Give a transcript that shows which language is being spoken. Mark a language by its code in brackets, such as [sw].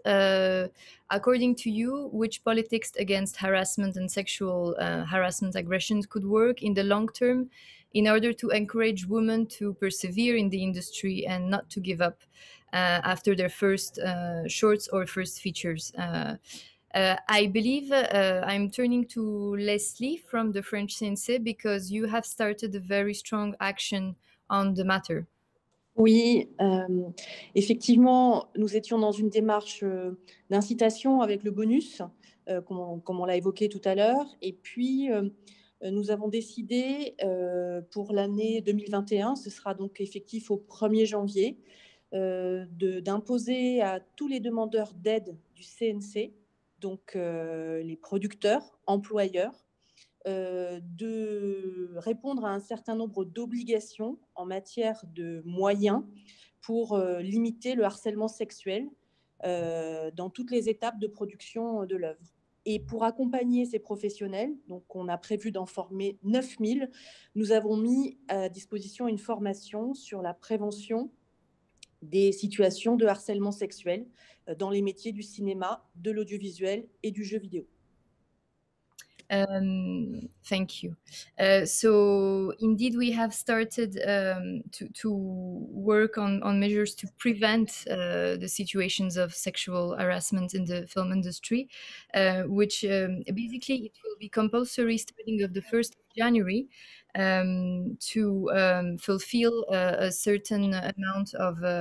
[en] According to you, which politics against harassment and sexual harassment aggressions could work in the long term in order to encourage women to persevere in the industry and not to give up after their first shorts or first features? I believe I'm turning to Leslie from the French Cinéma because you have started a very strong action on the matter. [fr] Oui, effectivement, nous étions dans une démarche d'incitation avec le bonus, comme on l'a évoqué tout à l'heure. Et puis, nous avons décidé pour l'année 2021, ce sera donc effectif au 1er janvier, d'imposer à tous les demandeurs d'aide du CNC, donc les producteurs, employeurs, de répondre à un certain nombre d'obligations en matière de moyens pour limiter le harcèlement sexuel dans toutes les étapes de production de l'œuvre. Et pour accompagner ces professionnels, donc on a prévu d'en former 9000, nous avons mis à disposition une formation sur la prévention des situations de harcèlement sexuel dans les métiers du cinéma, de l'audiovisuel et du jeu vidéo. [en] Thank you. So indeed, we have started to work on measures to prevent the situations of sexual harassment in the film industry, which basically it will be compulsory starting of the 1st of January to fulfill a certain amount of